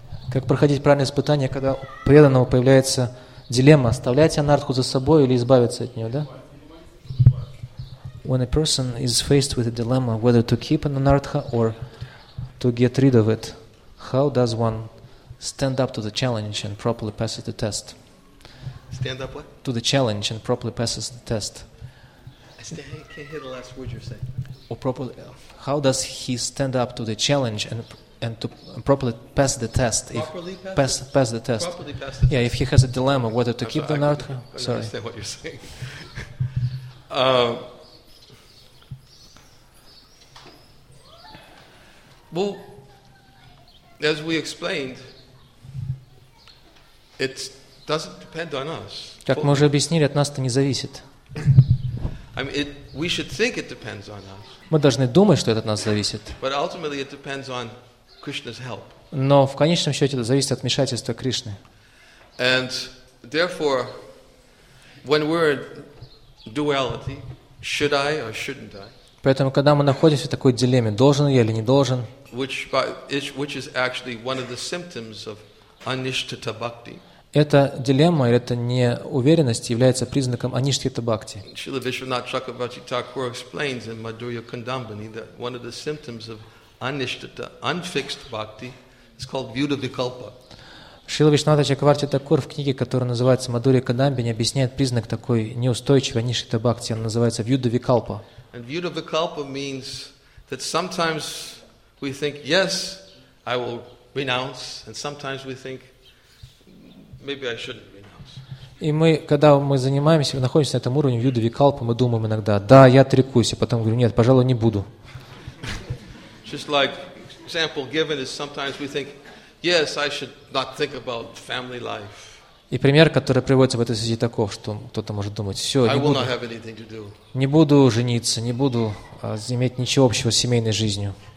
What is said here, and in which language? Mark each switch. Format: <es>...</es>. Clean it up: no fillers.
<ru>Как проходить правильное испытание, когда у преданного появляется дилемма, оставлять анартху за собой или избавиться от нее, да?</ru> <en>When a person is faced with a dilemma whether to keep an anartha or to get rid of it, how does one stand up to the challenge and properly passes the test? Stand up what? To the challenge and properly passes the test. I can't hear the last word you're saying. Or properly, how does he stand up to the challenge and to properly pass the test. Properly pass the test. If he has a dilemma whether to keep the anartha. Sorry. I understand what you're saying. Well, as we explained, it doesn't depend on us.</en> <ru>Как мы уже объяснили, от нас-то не зависит.</ru> <en>I mean, we should think it depends on us.</en> <ru>Мы должны думать, что это от нас зависит.</ru> <en>But ultimately, it depends on Krishna's help.</en> <ru>Но в конечном счете это зависит от вмешательства Кришны.</ru> <en>And therefore, when we're in duality, should I or shouldn't I?</en> <ru>Поэтому, когда мы находимся в такой дилемме, должен я или не должен?</ru> <en>Which is actually one of the symptoms of anishtita bhakti.</en> <ru>Эта дилемма, эта неуверенность является признаком анишхита бхакти.</ru> <en>Srila Vishwanath Chakravarti Thakur explains in Madhurya Kundambini that one of the symptoms of anishtita, unfixed bhakti, is called vyuda vikalpa.</en> <ru>Srila Vishwanath Chakravarti Thakur в книге, которая называется Madhurya Kundambini, объясняет признак такой неустойчивой анишхита бхакти. Она называется vyuda vikalpa.</ru> <en>And vyuda vikalpa means that sometimes we think, yes, I will renounce, and sometimes we think, maybe I shouldn't renounce.</en> <ru>И мы, когда мы занимаемся, находимся на этом уровне vyuda vikalpa, мы думаем иногда, да, я отрекусь, а потом говорю, нет, пожалуй, не буду.</ru> <en>Just like example given is sometimes we think, yes, I should not think about family life.</en> <ru>И пример, который приводится в этой связи таков, что кто-то может думать, все, не буду, не буду жениться, не буду иметь ничего общего с семейной жизнью.</ru>